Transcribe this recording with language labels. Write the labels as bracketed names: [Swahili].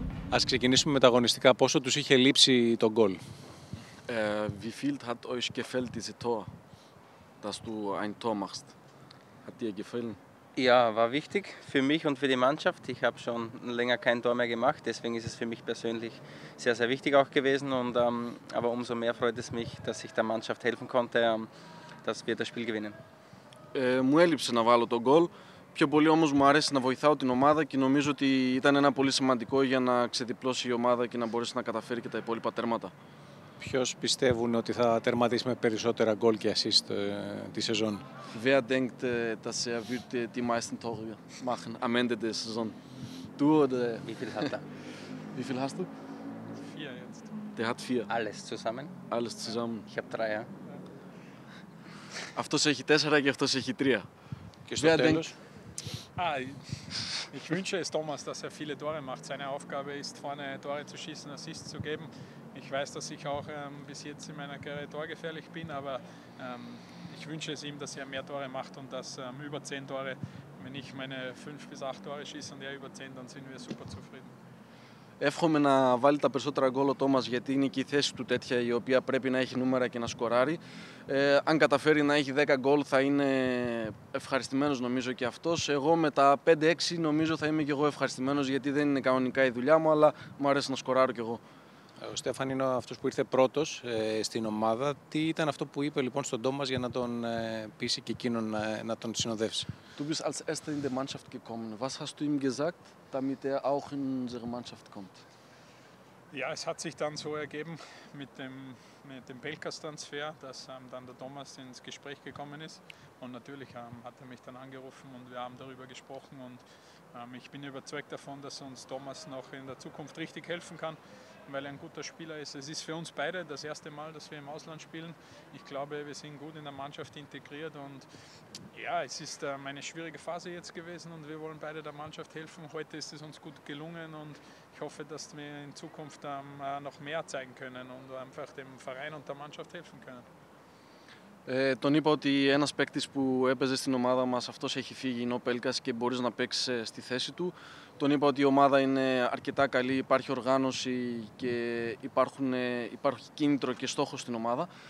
[Greek] Ας ξεκινήσουμε με τα αγωνιστικά. Πόσο τους είχε λείψει το γκολ? [German] Wie viel hat euch gefällt dieses Tor, dass du ein Tor machst? Hat dir gefallen? Ja, war wichtig für mich und für die Mannschaft. Ich habe schon länger kein Tor mehr gemacht, deswegen ist es für mich persönlich sehr, sehr wichtig auch gewesen. Und, aber umso mehr freut es mich, dass ich der Mannschaft helfen konnte, dass wir das Spiel gewinnen. [Greek] Μου έλειψε να βάλω τον γκολ. Πιο πολύ όμως μου αρέσει να βοηθάω την ομάδα και νομίζω ότι ήταν ένα πολύ σημαντικό για να ξεδιπλώσει η ομάδα και να μπορέσει να καταφέρει και τα υπόλοιπα τέρματα. Ποιος πιστεύουν ότι θα τερματίσει με περισσότερα γκολ και assist τη σεζόν? [German] Wer denkt, dass er wird die meisten Tore machen am Ende der Saison? Du oder? Wie viel hat er? Wie viel hast du? Vier jetzt. Der hat vier. Alles zusammen? Alles zusammen. Ich habe drei, ja. [Greek] Αυτός έχει τέσσερα και αυτός έχει τρία. Και στο τέλος. [German] Ich wünsche es Thomas, dass er viele Tore macht. Seine Aufgabe ist, vorne Tore zu schießen, Assists zu geben. Ich weiß, dass ich auch bis jetzt in meiner Karriere torgefährlich bin, aber ich wünsche es ihm, dass er mehr Tore macht und dass über 10 Tore, wenn ich meine 5 bis 8 Tore schieße und er über 10, dann sind wir super zufrieden. [Greek] Εύχομαι να βάλει τα περισσότερα γκολ ο Τόμας, γιατί είναι και η θέση του τέτοια η οποία πρέπει να έχει νούμερα και να σκοράρει. Αν καταφέρει να έχει 10 γκολ θα είναι ευχαριστημένος νομίζω και αυτός. Εγώ με τα 5-6 νομίζω θα είμαι και εγώ ευχαριστημένος, γιατί δεν είναι κανονικά η δουλειά μου, αλλά μου αρέσει να σκοράρω κι εγώ. Ο Στέφαν είναι αυτός που ήρθε πρώτος στην ομάδα. Τι ήταν αυτό που είπε λοιπόν στον Τόμας για να τον πείσει και εκείνον να τον συνοδεύσει? [German] Du bist als erster in der Mannschaft gekommen. Was hast du ihm gesagt, damit er auch in unsere Mannschaft kommt? Ja, es hat sich dann so ergeben mit dem Belkas-Transfer, dass dann der Thomas ins Gespräch gekommen ist. Und natürlich hat er mich dann angerufen und wir haben darüber gesprochen. Und ich bin überzeugt davon, dass uns Thomas noch in der Zukunft richtig helfen kann, weil er ein guter Spieler ist. Es ist für uns beide das erste Mal, dass wir im Ausland spielen. Ich glaube, wir sind gut in der Mannschaft integriert. Und ja, es ist eine schwierige Phase jetzt gewesen und wir wollen beide der Mannschaft helfen. Heute ist es uns gut gelungen und ich hoffe, dass wir in Zukunft noch mehr zeigen können und einfach dem Verein und der Mannschaft helfen können. [Greek] Τον είπα ότι ένας παίκτης που έπαιζε στην ομάδα μας, αυτός έχει φύγει, είναι ο Πέλκας και μπορείς να παίξεις στη θέση του. Τον είπα ότι η ομάδα είναι αρκετά καλή, υπάρχει οργάνωση και υπάρχει κίνητρο και στόχο στην ομάδα.